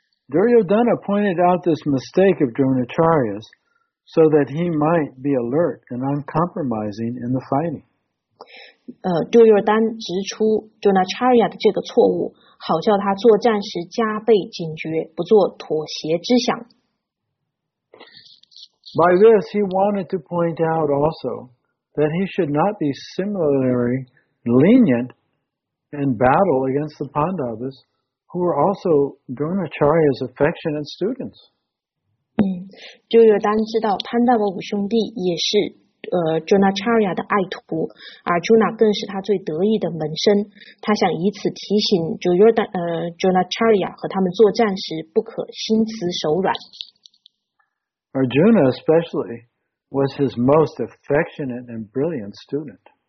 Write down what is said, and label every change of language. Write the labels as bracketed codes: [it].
[en] Duryodhana pointed out this mistake of Dronacharya's so that he might be alert and uncompromising in the fighting. [zh] Duryodhana 指出 Dronacharya 的这个错误，好叫他作战时加倍警觉，不做妥协之想。 [en] By this, he wanted to point out also. That he should not be similarly lenient in battle against the Pandavas, who were also Dronacharya's affectionate students. [zh] Duryodhana 知道潘达瓦五兄弟也是Dronacharya 的爱徒，而 Arjuna 更是他最得意的门生。他想以此提醒 Dronacharya 和他们作战时不可心慈手软。 [en] Arjuna especially. Was his most affectionate and brilliant student.